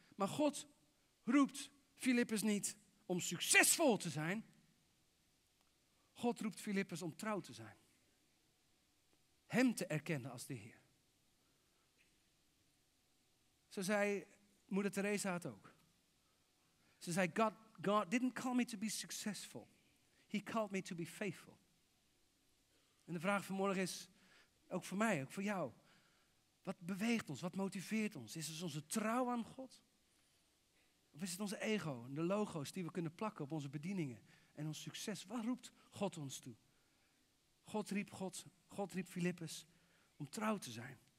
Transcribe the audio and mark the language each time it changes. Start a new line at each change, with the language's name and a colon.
Dutch: Maar God roept Filippus niet om succesvol te zijn. God roept Filippus om trouw te zijn. Hem te erkennen als de Heer. Zo zei moeder Teresa het ook. Ze zei,
English: God didn't call me to be successful. He called me to be faithful.
Dutch: En de vraag vanmorgen is, ook voor mij, ook voor jou. Wat beweegt ons, wat motiveert ons? Is het onze trouw aan God? Of is het onze ego en de logo's die we kunnen plakken op onze bedieningen en ons succes? Wat roept God ons toe? God riep Filippus om trouw te zijn.